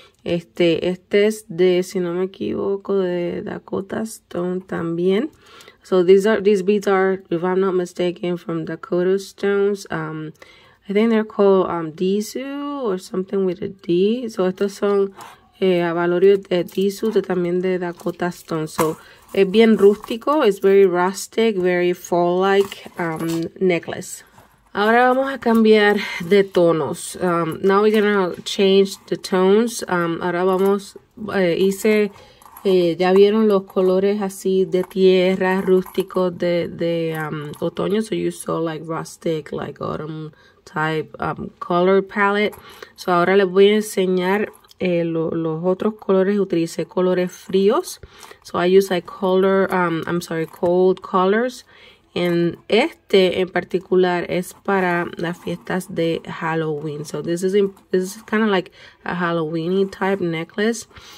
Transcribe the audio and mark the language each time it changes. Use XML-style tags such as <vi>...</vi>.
<es>Este es de, si no me equivoco, de Dakota Stone también.</es> <en>So these beads are, if I'm not mistaken, from Dakota Stones. I think they're called Dizu or something with a D.</en> <es>So estos son abalorio de Dizu, también de Dakota Stone.</es> <en>So</en> <es>es bien rústico, es</es> <en>very rustic, very fall-like necklace.</en> <es>Ahora vamos a cambiar de tonos.</es> <en>Now we're gonna change the tones.</en> <es>Ahora vamos, ya vieron los colores así de tierra, rústicos de otoño.</es> <en>So you saw like rustic, like autumn type color palette.</en> <es>So ahora les voy a enseñar los otros colores. Utilicé colores fríos.</es> <en>So I use like color, cold colors.</en> <es>And este en particular es para las fiestas de Halloween.</es> <en>So this is kind of like a Halloween-y type necklace.</en>